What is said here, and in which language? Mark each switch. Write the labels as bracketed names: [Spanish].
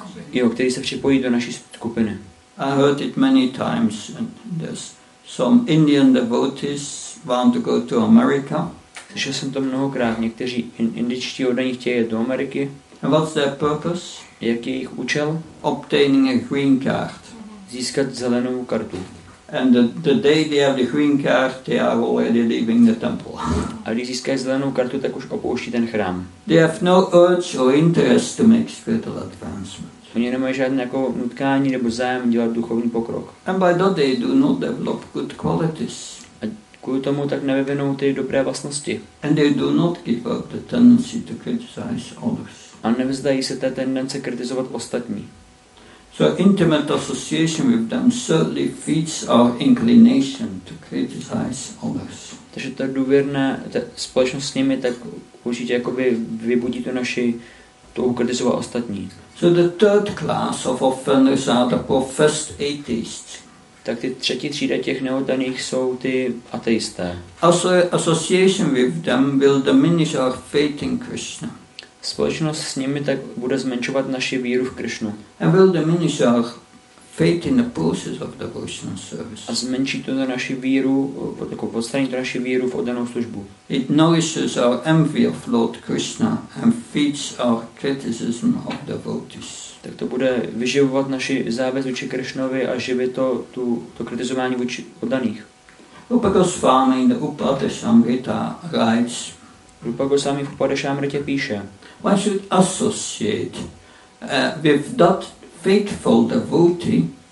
[Czech] Který se připojí do naší skupiny. [English] I heard it many times. There's some Indian devotees want to go to America. [Czech] Slyšel jsem to mnohokrát. Někteří indičtí oddaní chtějí jít do Ameriky. [English] What's their purpose? [Czech] Jaký je jejich účel? [English] Obtaining a green card. [Czech] Získat zelenou kartu. [English] And the day they have the green card, they are already leaving the temple. [Czech] A když získají zelenou kartu, tak už opouští ten chrám. [English] They have no urge or interest to make spiritual advancement. [Czech] Oni nemají žádné jako nutkání nebo zájem dělat duchovní pokrok. [English] And by that they do not develop good qualities. [Czech] A kvůli tomu tak nevyvinou ty dobré vlastnosti. [English] And they do not give up the tendency to criticize others. [Czech] A nevzdají se té tendence kritizovat ostatní. [English] So intimate association with them certainly feeds our inclination to criticize others. [Czech] Takže ta důvěrná společnost s nimi tak určitě jakoby vybudí tu naši touhu kritizovat ostatní. [English] So the third class of offenders are the professed atheists. [Czech] Tak ty třetí třída těch neoddaných jsou ty ateisté. [English] Also association with them will diminish our faith in Krishna. [Czech] Společnost s nimi tak bude zmenšovat naši víru v Krišnu. [English] And will diminish our faith in the process of devotional service. [Czech] A zmenší to na naši víru, jako podstraní to naši víru v oddanou službu. [English] It nourishes our envy of Lord Krishna and feeds our criticism of devotees. [Czech] Tak to bude vyživovat naši závěs vůči Krišnovi a živit to kritizování vůči oddaných. [English] Rupa Goswami in the Upadeshamrita writes. [Czech] Rupa Goswami v Upadeshamritě píše. [English] One should associate with that faithful devotee.